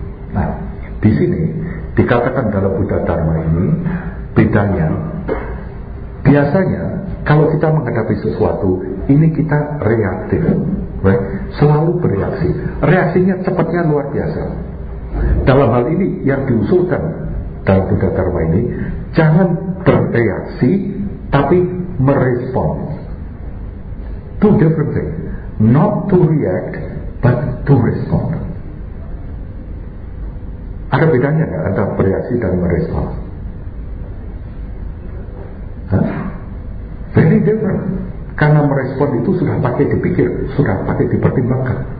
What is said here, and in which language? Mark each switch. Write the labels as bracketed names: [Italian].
[Indonesian] Nah, di sini dikatakan dalam Buddha Dharma ini, bedanya biasanya kalau kita menghadapi sesuatu ini kita reaktif, right? Selalu bereaksi. Reaksinya cepatnya luar biasa. Dalam hal ini yang diusulkan dalam Buddha Dharma ini, jangan bereaksi tapi merespon. [English] Two different things. Not to react but to respond. [Indonesian] Ada bedanya gak antara bereaksi dan merespon? [English] Very different. [Indonesian] Karena merespon itu sudah pakai dipikir, sudah pakai dipertimbangkan.